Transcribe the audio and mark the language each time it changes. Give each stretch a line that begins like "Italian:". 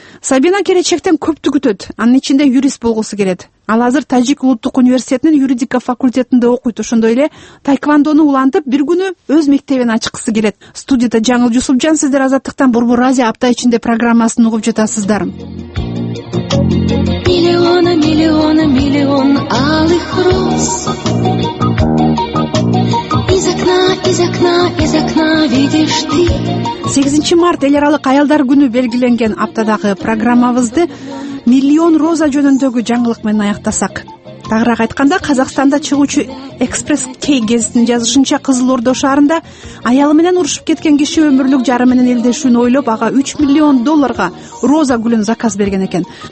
Kyrgyz: Сабина келечектен көптү күтөт. Анын ичинде юрист болгусу келет. Ал азыр Тажик улуттук университетинин юридика факультетинде окуйт. Ошондой эле тайквондону улантып, бир күнү өз мектебин ачкысы келет. Студияда Жаңыл Жусупжан, сиздер азаттыктан Борбор Азия апта ичинде программасын угуп жатасыздар.
Russian: Миллионы, миллионы, миллион алых роз. Из окна, из окна видишь ты.
Kyrgyz: 8 март эл аралык аялдар күнү белгиленген аптадагы программабызды миллион роза жөнүндөгү жаңылык менен аяктасак. Тагыраак айтканда, Казакстанда чыгуучу Экспресс Кей гезитинин жазышынча, Кызыл Ордо шаарында аялы менен урушуп кеткен киши өмүрлүк жары менен элдешүүнү ойлоп, ага 3 миллион долларга роза гүлүн заказ берген экен.